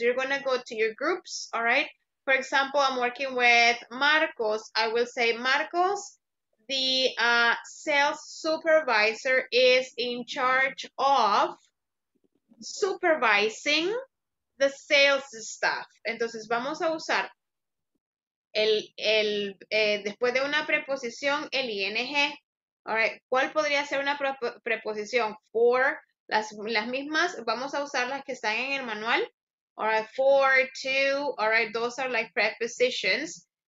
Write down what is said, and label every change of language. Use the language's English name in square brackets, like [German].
[English] You're gonna go to your groups, all right? For example, I'm working with Marcos. I will say, Marcos, the sales supervisor is in charge of supervising the sales staff. [Spanish] Entonces, vamos a usar después de una preposición, el ing. [English] All right. [Spanish] ¿Cuál podría ser una preposición? For las mismas, vamos a usar las que están en el manual. [English] All right, for, to, all right, those are like prepositions.